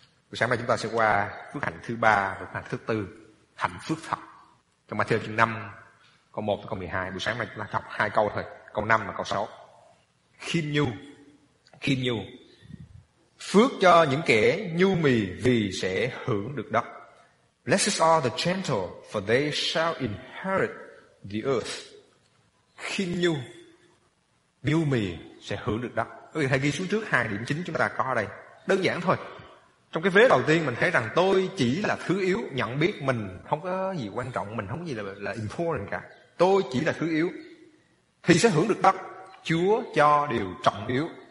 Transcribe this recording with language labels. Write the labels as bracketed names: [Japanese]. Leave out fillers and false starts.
[Vietnamese] Buổi sáng nay chúng ta sẽ qua phước hạnh thứ 3 và phước hạnh thứ 4, hạnh phước thật, trong Ma-thi-ơ chương 5 câu 1 và câu 12. Buổi sáng nay chúng ta đọc 2 câu thôi, câu 5 và câu 6. Khiêm nhu, khiêm nhu. Phước cho những kẻ nhu mì vì sẽ hưởng được đất. [English] Blessed are the gentle, for they shall inherit the earth. [Vietnamese] Khiêm nhu, nhu mì sẽ hưởng được đất. Quý vị hãy ghi xuống trước 2 điểm chính chúng ta có ở đây. Đơn giản thôi. Trong cái vế đầu tiên mình thấy rằng tôi chỉ là thứ yếu, nhận biết mình không có gì quan trọng, mình không có gì là important cả. Tôi chỉ là thứ yếu thì sẽ hưởng được đất. Chúa cho điều trọng yếu.